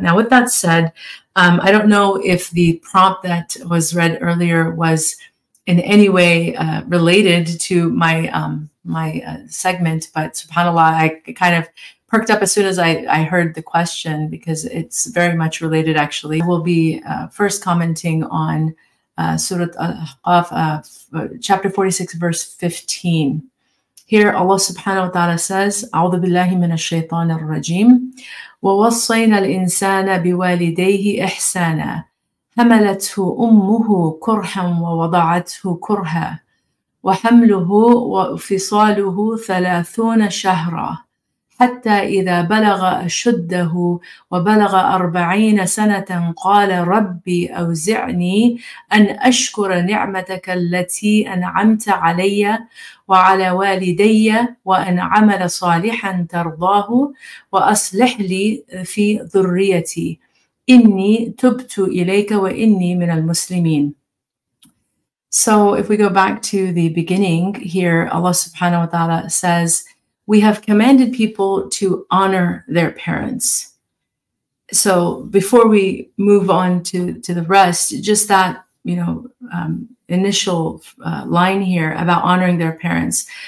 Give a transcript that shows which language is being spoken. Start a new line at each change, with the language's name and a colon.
English: Now, with that said, I don't know if the prompt that was read earlier was in any way related to my segment, but subhanAllah, I kind of perked up as soon as I heard the question because it's very much related, actually. We'll be first commenting on Surah Al-Ahqaf, chapter 46, verse 15. Here, Allah subhanahu wa ta'ala says,
Arabic: أَعُوذُ بِاللَّهِ مِنَ الشَّيْطَانِ الرَّجِيمِ وَوَصَّيْنَا الْإِنسَانَ بِوَالِدَيْهِ إِحْسَانًا حَمَلَتْهُ أُمُّهُ كُرْحًا وَوَضَعَتْهُ كُرْهًا وَحَمْلُهُ وَفِصَالُهُ 30 شَهْرًا حَتَّى إِذَا بَلَغَ أَشُدَّهُ وَبَلَغَ 40 سَنَةً قَالَ رَبِّ أَوْزِعْنِي أَنْ أَشْكُرَ نِعْمَتَكَ الَّتِي أَنْعَمْتَ عَلَيَّ وعلى والدي وأن عمل صالحا ترضاه وأصلح لي في ذريتي إني تبت إليك وإني من المسلمين.
English: So if we go back to the beginning here, Allah subhanahu wa ta'ala says, we have commanded people to honor their parents. So before we move on to the rest, just that, initial line here about honoring their parents.